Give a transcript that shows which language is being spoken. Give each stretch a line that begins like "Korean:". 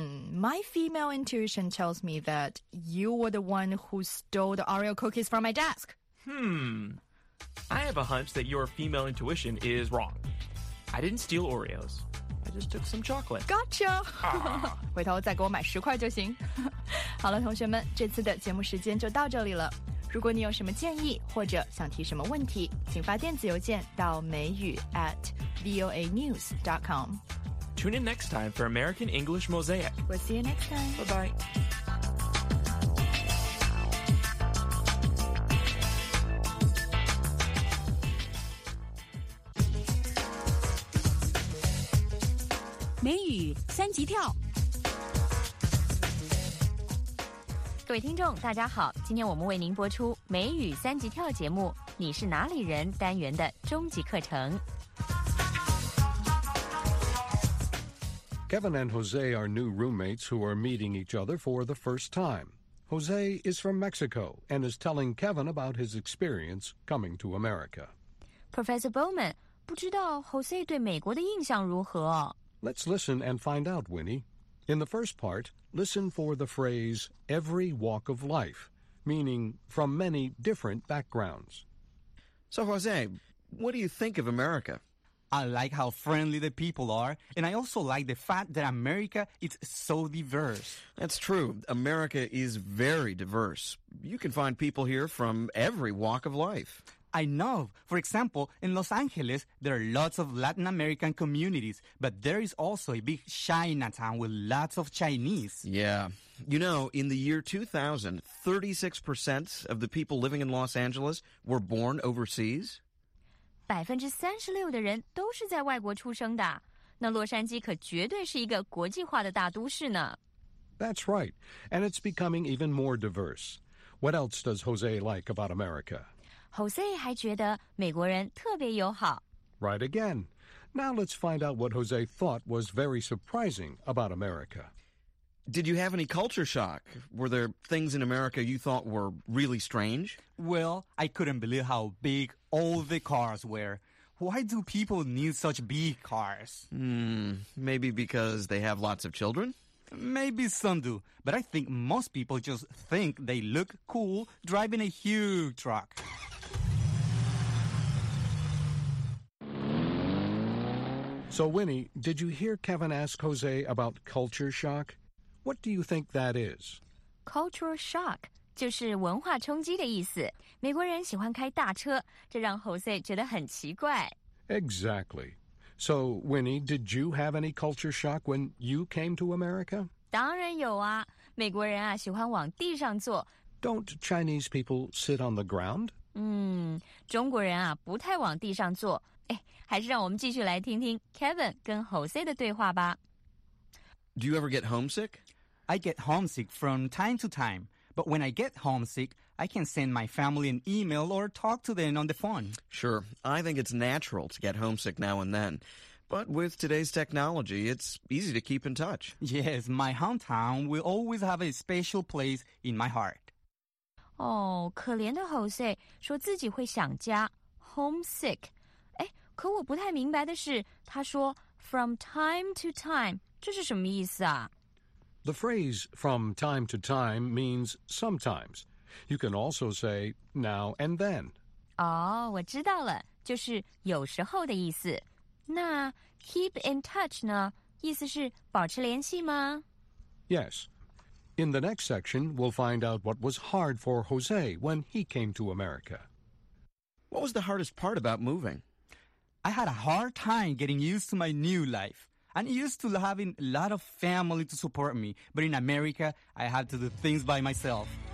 English: My female intuition tells me that you were the one who stole the Oreo cookies from my desk. I have a hunch that your female intuition is wrong. I didn't steal Oreos. I just took some chocolate. Gotcha!
Chinese: 回头再给我买十块就行。好了，同学们，这次的节目时间就到这里了。如果你有什么建议或者想提什么问题，请发电子邮件到美语 @voanews.com.
English: Tune in next time for American English Mosaic. We'll see you next time. Bye-bye.
Chinese: 美语三级跳。各位听众大家好，今天我们为您播出美语三级跳节目你是哪里人单元的终极课程。
English: Kevin and Jose are new roommates who are meeting each other for the first time. Jose is from Mexico and is telling Kevin about his experience coming to America.
Chinese: Professor Bowman, 不知道 Jose 对美国的印象如何？
English: Let's listen and find out, Winnie. In the first part, listen for the phrase, every walk of life, meaning from many different backgrounds. So Jose, what do you think of America? I like how friendly the people are, and I also like the fact that America is so diverse. That's true. America is very diverse. You can find people here from every walk of life. I know. For example, in Los Angeles, there are lots of Latin American communities, but there is also a big Chinatown with lots of Chinese. Yeah. You know, in the year 2000, 36% of the people living in Los Angeles were born overseas.
Chinese: 36% 的人都是在外国出生的，那洛杉矶可绝对是一个国际化的大都市呢。
English: That's right, and it's becoming even more diverse. What else does Jose like about America?
Chinese: Jose 还觉得美国人特别友好。
English: Right again. Now let's find out what Jose thought was very surprising about America. Did you have any culture shock? Were there things in America you thought were really strange? Well, I couldn't believe how big... All the cars were. Why do people need such big cars? Maybe because they have lots of children? Maybe some do, but I think most people just think they look cool driving a huge truck. So, Winnie, did you hear Kevin ask Jose about culture shock? What do you think that is?
Chinese: Cultural shock. 就是文化冲击的意思。美国人喜欢开大车，这让 Jose 觉得很奇怪。
English: Exactly. So, Winnie, did you have any culture shock when you came to America?
Chinese: 当然有啊。美国人啊，喜欢往地上坐。
English: Don't Chinese people sit on the ground?
Chinese: 中国人啊，不太往地上坐。哎，还是让我们继续来听听 Kevin 跟 Jose 的对话吧。
English: Do you ever get homesick? I get homesick from time to time. But when I get homesick, I can send my family an email or talk to them on the phone. Sure. I think it's natural to get homesick now and then. But with today's technology, it's easy to keep in touch. Yes, my hometown will always have a special place in my heart.
Chinese: Oh, 可怜的 Jose 说自己会想家 homesick. 哎，可我不太明白的是，他说
English: from time to time,
Chinese: 这是什么意思啊？
English: The phrase from time to time means sometimes. You can also say now and then.
Chinese: Oh, 我知道了，就是有时候的意思。那
English: keep in touch
Chinese: 呢？意思是保持联系吗？
English: Yes. In the next section, we'll find out what was hard for Jose when he came to America. What was the hardest part about moving? I had a hard time getting used to my new life. I'm used to having a lot of family to support me, but in America, I have to do things by myself.